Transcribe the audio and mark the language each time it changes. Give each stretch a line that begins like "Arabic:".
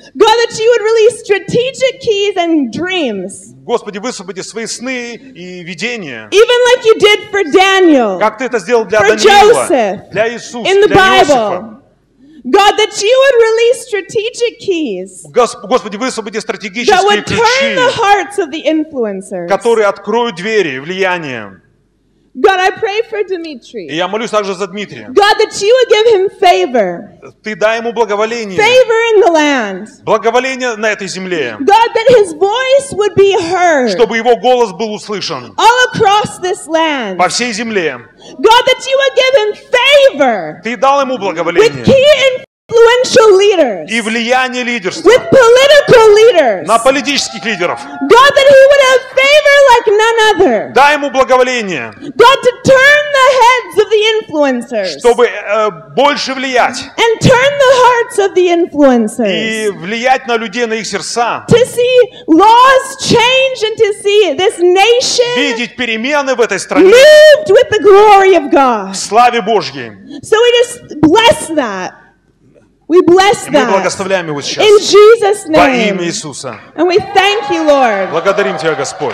English: God, that you would release strategic keys and dreams,
Russian: Господи, высвободи свои сны и видения,
English: even like you did for Daniel,
Russian: как ты это сделал для Даниила, для Иисуса,
English: in the
Russian: для
English: Bible.
Russian: Иосифа.
English: God, that you would release strategic keys.
Russian: Господи, высвободи стратегические ключи.
English: That would turn the hearts of the influencers.
Russian: Которые откроют двери влияния.
English: God, I pray for Dmitry.
Russian: И я молюсь также за Дмитрия.
English: God, that you would give him favor.
Russian: Ты дай ему благоволение.
English: Favor in the land.
Russian: Благоволение на этой земле.
English: God, that his voice would be heard.
Russian: Чтобы его голос был услышан.
English: All across this land.
Russian: По всей земле.
English: God, that you would give him favor.
Russian: Ты дал ему благоволение.
English: With key influential leaders.
Russian: И влияние лидерства.
English: With political leaders.
Russian: На политических лидеров.
English: God, that he would have favor like none other.
Russian: Дай ему благоволение.
English: God, to turn the heads of the influencers.
Russian: Чтобы больше влиять.
English: And turn the hearts of the influencers.
Russian: И влиять на людей, на их сердца.
English: To see laws change and to see this nation.
Russian: Видеть перемены в этой стране.
English: Moved with the glory of God.
Russian: В славе Божьей.
English: So we just bless that. We bless them.
Russian: Мы благословляем его сейчас.
English: In Jesus' name.
Russian: Во имя Иисуса.
English: And we thank you, Lord.
Russian: Благодарим тебя, Господь.